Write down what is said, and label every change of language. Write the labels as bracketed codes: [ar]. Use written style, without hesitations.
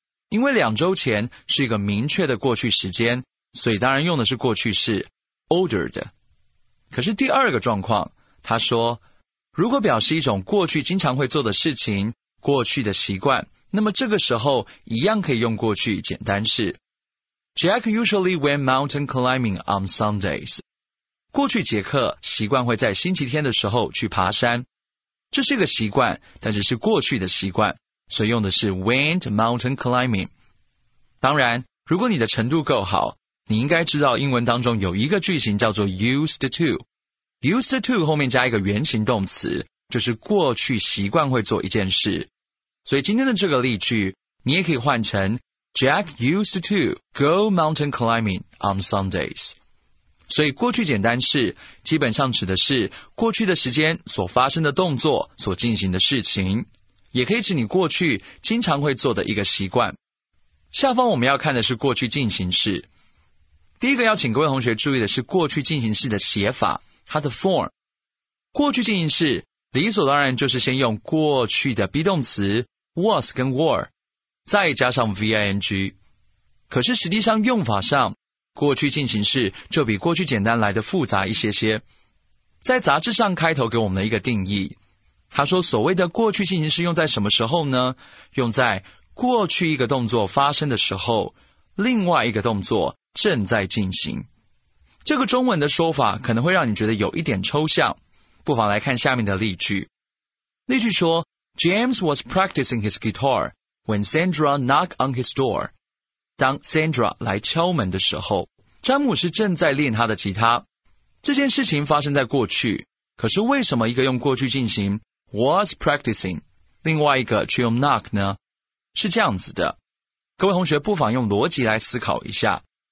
[zh] 因为两周前是一个明确的过去时间，所以当然用的是过去式 ordered。可是第二个状况，他说如果表示一种过去经常会做的事情、过去的习惯，那么这个时候一样可以用过去简单式。 [en] Jack usually went mountain climbing on Sundays. [zh] 过去杰克习惯会在星期天的时候去爬山。这是一个习惯，但是是过去的习惯，所以用的是 [en] went mountain climbing。 [zh] 当然，如果你的程度够好，你应该知道英文当中有一个句型叫做 used to。 used to 后面加一个原形动词，就是过去习惯会做一件事。所以今天的这个例句，你也可以换成 [en] Jack used to go mountain climbing on Sundays。 [zh] 所以过去简单式基本上指的是过去的时间所发生的动作所进行的事情，也可以指你过去经常会做的一个习惯。下方我们要看的是过去进行式。第一个要请各位同学注意的是过去进行式的写法，它的 form。过去进行式理所当然就是先用过去的 be 动词 was 跟 were 再加上 ving， 可是实际上用法上过去进行式就比过去简单来的复杂一些些。在杂志上开头给我们的一个定义，他说所谓的过去进行式用在什么时候呢？用在过去一个动作发生的时候，另外一个动作正在进行。这个中文的说法可能会让你觉得有一点抽象，不妨来看下面的例句。例句说 [en] James was practicing his guitar when Sandra knocked on his door。 [zh] 当 Sandra 来敲门的时候，詹姆斯正在练他的吉他。这件事情发生在过去，可是为什么一个用过去进行 [en] was practicing， [zh] 另外一个却用 knock 呢？是这样子的，各位同学不妨用逻辑来思考一下。